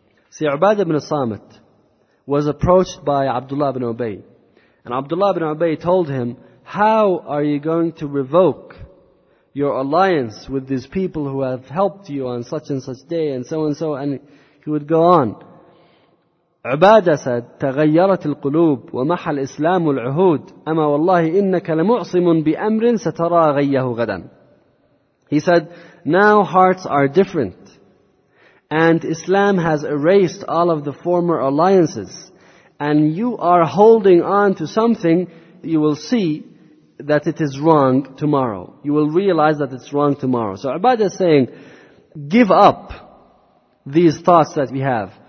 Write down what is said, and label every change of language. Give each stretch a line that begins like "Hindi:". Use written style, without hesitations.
English: See, Ubad ibn Samit was approached by Abdullah ibn Ubay. And Abdullah ibn Ubay told him, how are you going to revoke your alliance with these people who have helped you on such and such day and so, and he would go on. Ubadah said,
Arabic: تغيرت القلوب ومح الإسلام العهود أما والله إنك لمعصم بأمر سترى غيه غدا.
English: He said, now hearts are different and Islam has erased all of the former alliances and you are holding on to something, you will see that it is wrong tomorrow. You will realize that it's wrong tomorrow. So Ubadah is saying, give up these thoughts that we have.